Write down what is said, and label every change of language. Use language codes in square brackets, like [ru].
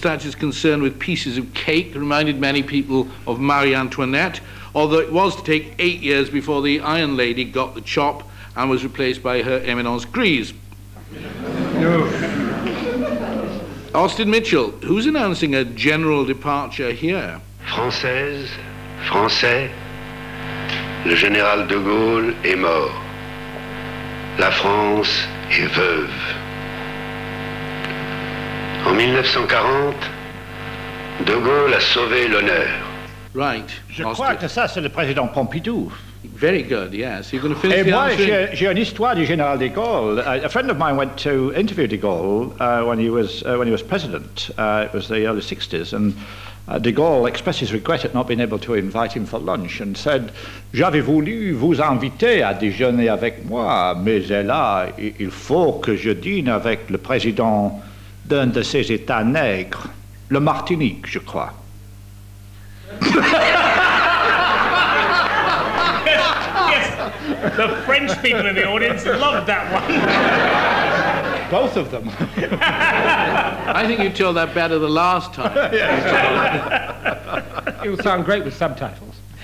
[en] Thatcher's concern with pieces of cake reminded many people of Marie Antoinette, although it was to take 8 years before the Iron Lady got the chop and was replaced by Her Eminence Grise. No. Austin Mitchell, who's announcing a general departure here? [fr] Française. Français, le général de Gaulle est mort. La France est veuve. En 1940, de Gaulle a sauvé l'honneur. [en] Right. [fr] Je crois que ça, c'est le président Pompidou. [en] Very good, yes. You're going to finish the answer? [fr] J'ai une histoire du général de Gaulle. [en] A friend of mine went to interview de Gaulle when he was president. It was the early 60s, and... De Gaulle expressed his regret at not being able to invite him for lunch and said, [fr] j'avais voulu vous inviter à déjeuner avec moi, mais hélas, il faut que je dîne avec le président d'un de ces états nègres, le Martinique, je crois. [en] Yes, the French people in the audience loved that one. Both of them. I think you told that better the last time. It will sound great with subtitles.